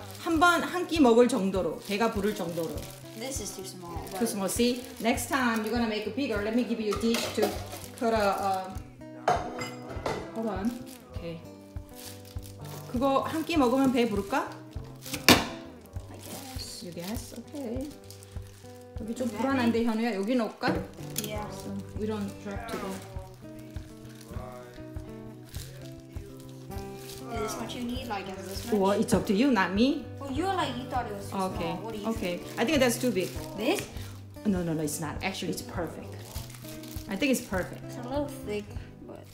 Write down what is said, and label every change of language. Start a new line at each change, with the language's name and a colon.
Korean: 한 끼 먹을 정도로, 배가 부를 정도로.
English: This is too small. Too small. See, next time you're gonna make it bigger. Let me give you a dish to cut a. Hold on. Okay.
Korean: 그거 한 끼 먹으면 배 부를까?
English: I guess. You guess? Okay.
Korean: 여기 좀 불안한데 현우야, 여기 놓을까?
English: Yeah. So we don't drop to go. Is this what you need? Like, is this much? Well, it's up to you, not me. Well, you're like, you thought it was too okay. small. What do you okay. think? Okay. I think that's too big. This? No, it's not. Actually, it's perfect. I think it's perfect. It's a little thick, but.